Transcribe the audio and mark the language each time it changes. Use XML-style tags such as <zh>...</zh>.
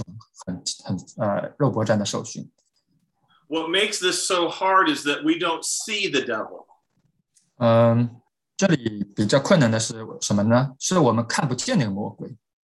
<zh>海军陆战队他们平时都是受训，都是肉搏战的一种很肉搏战的受训。</zh> <en>What makes this so hard is that we don't see the devil.</en> <zh>这里比较困难的是什么呢?是我们看不见那个魔鬼。</zh>